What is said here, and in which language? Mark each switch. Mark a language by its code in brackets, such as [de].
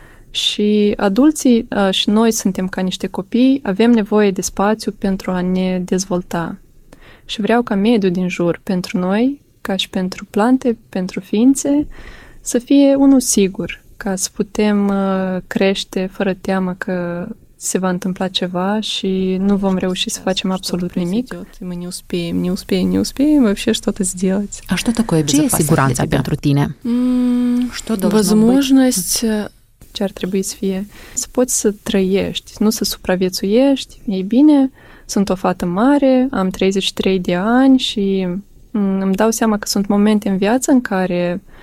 [ro] Și adulții și noi suntem ca niște copii, avem nevoie de spațiu pentru a ne dezvolta. și vreau ca mediul din jur, pentru noi, ca și pentru plante, pentru ființe, să fie unul sigur, ca să putem crește fără teamă că se va întâmpla ceva și nu vom reuși să facem absolut nimic. [ru] Мы не успеем, не успеем, не успеем вообще что-то сделать. А что такое безопасность? [ro] Ce e siguranța pentru tine? [ru] Что должно быть? [ro] Ce ar trebui să fie? Să poți să trăiești, nu să supraviețuiești, e bine, sunt o fată mare, am 33 de ani și îmi dau seama că sunt momente în viață în care